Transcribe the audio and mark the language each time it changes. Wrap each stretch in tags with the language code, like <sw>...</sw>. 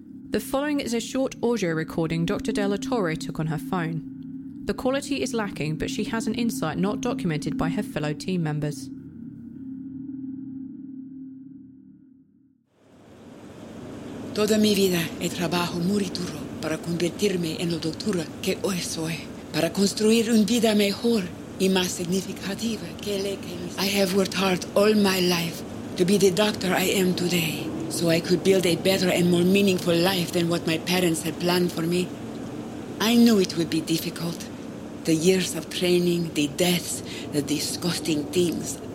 <en>The following is a short audio recording Dr. Della Torre took on her phone. The quality is lacking, but she has an insight not documented by her fellow team members.</en> <es>Toda mi vida he trabajado muy duro para convertirme en la doctora que hoy soy, para construir una vida mejor y más significativa que la que me...</es> <en>I have worked hard all my life to be the doctor I am today, so I could build a better and more meaningful life than what my parents had planned for me. I knew it would be difficult. The years of training, the deaths, the disgusting things.</en>